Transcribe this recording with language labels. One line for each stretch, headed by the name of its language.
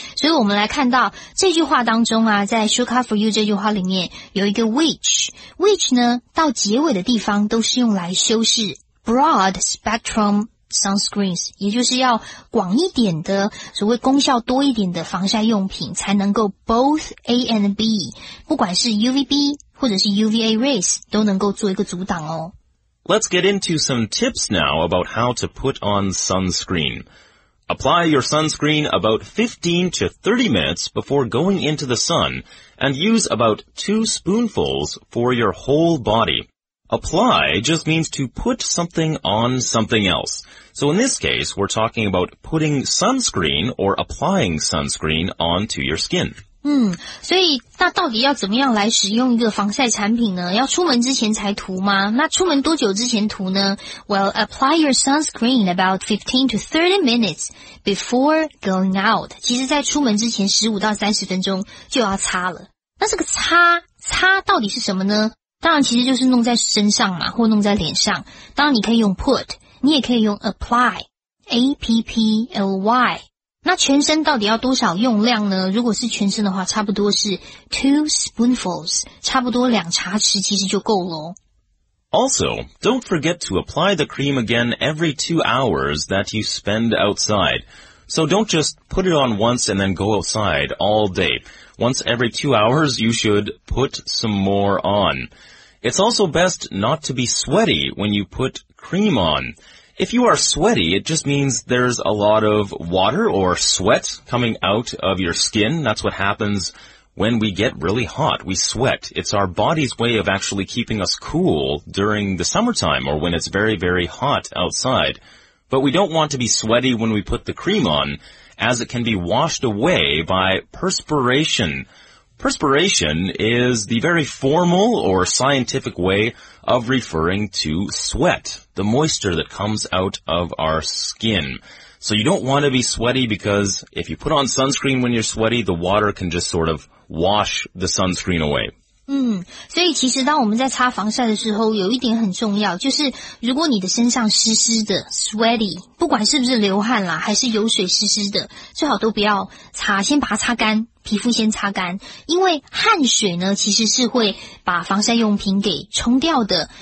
Chinese: 所以我们来看到这句话当中啊，在 Shortcut for You 这句话里面有一个 which 呢到结尾的地方都是用来修饰 broad spectrum sunscreens, 也就是要广一点的所谓功效多一点的防晒用品才能够
English: both A and B,
Chinese: 不管是 UVB 或者是 UVA rays 都能够做一个阻挡哦。
English: Let's get into some tips now about how to put on sunscreen. Apply your sunscreen about 15 to 30 minutes before going into the sun and use about 2 spoonfuls for your whole body. Apply just means to put something on something else. So in this case, we're talking about putting sunscreen or applying sunscreen onto your skin.
Chinese: 所以那到底要怎么样来使用一个防晒产品呢？要出门之前才涂吗？那出门多久之前涂呢？
English: Well, apply your sunscreen about 15 to 30 minutes before going out.
Chinese: 其实在出门之前15到30分钟就要擦了。那这个擦到底是什么呢？当然其实就是弄在身上嘛，或弄在脸上。当然你可以用 put, 你也可以用 apply, A-P-P-L-Y。那全身到底要多少用量呢？如果是全身的话，差不多是 2 spoonfuls, 差不多两茶匙其实就够了。
English: Also, don't forget to apply the cream again every 2 hours that you spend outside. So don't just put it on once and then go outside all day. Once every 2 hours, you should put some more on. It's also best not to be sweaty when you put cream on. If you are sweaty, it just means there's a lot of water or sweat coming out of your skin. That's what happens when we get really hot. We sweat. It's our body's way of actually keeping us cool during the summertime or when it's very, very hot outside. But we don't want to be sweaty when we put the cream on, as it can be washed away by perspiration. Perspiration is the very formal or scientific way of referring to sweat, the moisture that comes out of our skin. So you don't want to be sweaty because if you put on sunscreen when you're sweaty, the water can just sort of wash the sunscreen away.
Chinese: 所以其实当我们在擦防晒的时候有一点很重要，就是如果你的身上湿湿的 sweaty， 不管是不是流汗啦还是油水湿湿的，最好都不要擦，先把它擦干，皮肤先擦干，因为汗水呢其实是会把防晒用品给冲掉的。